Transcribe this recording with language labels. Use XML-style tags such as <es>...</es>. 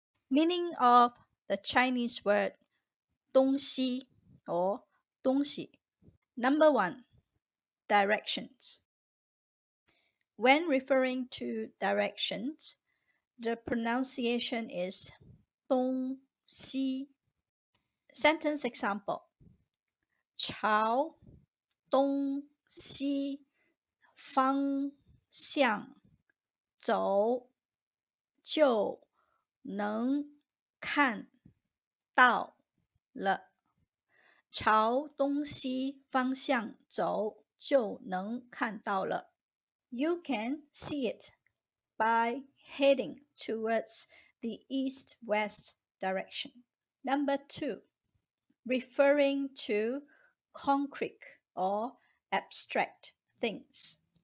<en>Meaning of the Chinese word 东西 or 东西 Number one, directions. When referring to directions, the pronunciation is 东西 Sentence example.</en> <zh>朝东西方向走就能看到了。朝东西方向走就能看到了。</zh> <en>You can see it by heading towards the east-west direction. Number two, referring toconcrete or abstract things.</en>